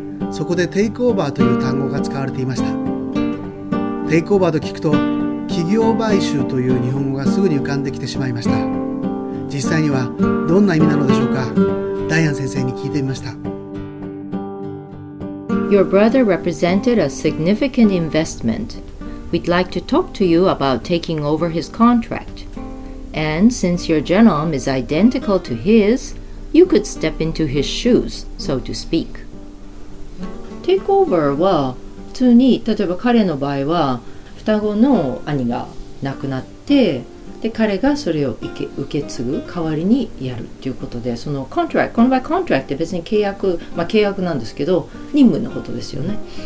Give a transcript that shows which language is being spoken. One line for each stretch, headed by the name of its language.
Japanese: そこでテイクオーバーという単語が使われていました。テイクオーバーと聞くと企業買収という日本語がすぐに浮かんできてしまいました。実際にはどんな意味なのでしょうか。ダイアン先生に聞いてみました。
English: Your brother represented a significant investment. We'd like to talk to you about taking over his contract. And since your genome is identical to his, you could step into his shoes, so to speak.
Japanese: Take over は普通に、例えば彼の場合は双子の兄が亡くなって、で彼がそれを受け継ぐ代わりにやるということで、そのコントラクト、この場合コントラクトって別に契約、まあ契約なんですけど、任務のことですよね。